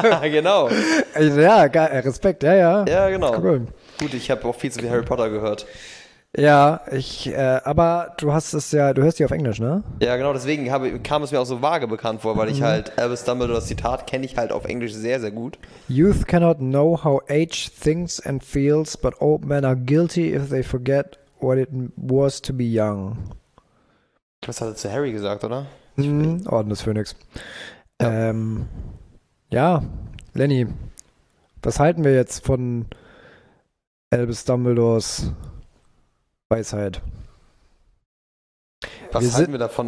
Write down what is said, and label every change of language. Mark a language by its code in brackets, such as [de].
[de] Genau. Ja, Respekt. Ja, ja. Ja, genau. Cool. Gut, ich habe auch viel zu viel Harry Potter gehört. Ja, aber du hörst die auf Englisch, ne? Ja, genau. Deswegen kam es mir auch so vage bekannt vor, weil ich halt Albus Dumbledore, das Zitat, kenne ich halt auf Englisch sehr, sehr gut. [en] Youth cannot know how age thinks and feels, but old men are guilty if they forget what it was to be young. [de] Was hat er zu Harry gesagt, oder? Orden des Phönix. Ja. Ja, Lenny, was halten wir jetzt von Albus Dumbledores Weisheit? Was halten wir davon?